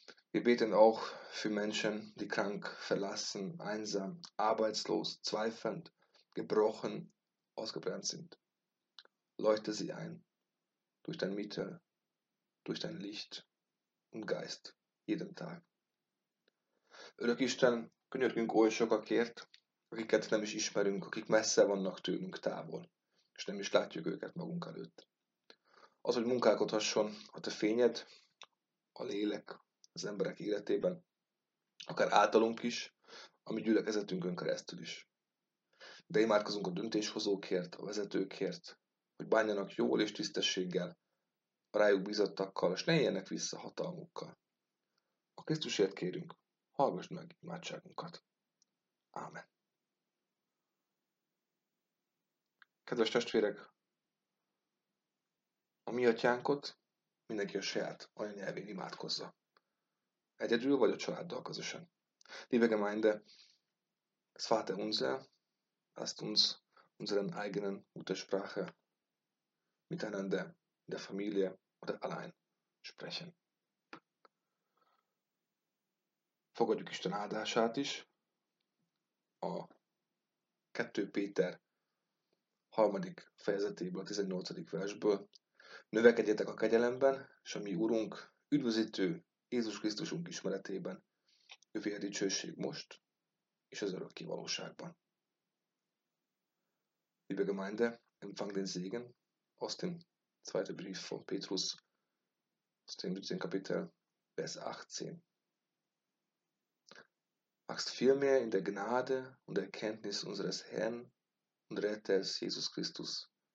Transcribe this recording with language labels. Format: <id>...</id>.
<de>Wir beten auch für Menschen, die krank, verlassen, einsam, arbeitslos, zweifelnd, gebrochen, ausgebrannt sind. Leuchte sie ein durch dein Mittel, durch dein Licht und Geist jeden Tag.</de> <hu>Rückistern, könjörgünk oischokakert, akiket nem is ismerünk, akik messze vannak tőlünk távol, és nem is látjuk őket magunk előtt. Az, hogy munkálkodhasson a te fényed, a lélek, az emberek életében, akár általunk is, a mi gyülekezetünkön keresztül is. De imádkozunk a döntéshozókért, a vezetőkért, hogy bánjanak jól és tisztességgel, a rájuk bízottakkal, és ne éljenek vissza hatalmukkal. A Krisztusért kérünk, hallgass meg imádságunkat. Ámen. Kedves testvérek, a mi atyánkot mindenki a saját anyanyelvén imádkozza. Egyedül vagy a családdal közösen.</hu> <de>Liebe Gemeinde, das Vater unser, lasst uns unseren eigenen Muttersprache miteinander in der Familie oder allein sprechen.</de> <hu>Fogadjuk Isten áldását is a 2. Péter 3. fejezetéből, a 18. versből. Növekedjetek a kegyelemben, és a mi Urunk, üdvözítő Jézus Krisztusunk ismeretében, övé a dicsőség most és az örökké valóságban.</hu> <de>Liebe Gemeinde, empfang den Segen aus dem 2. Brief von Petrus, aus dem 17. Kapitel, Vers 18. Wachst vielmehr in der Gnade und Erkenntnis unseres Herrn und Retters Jesus Christus.</de>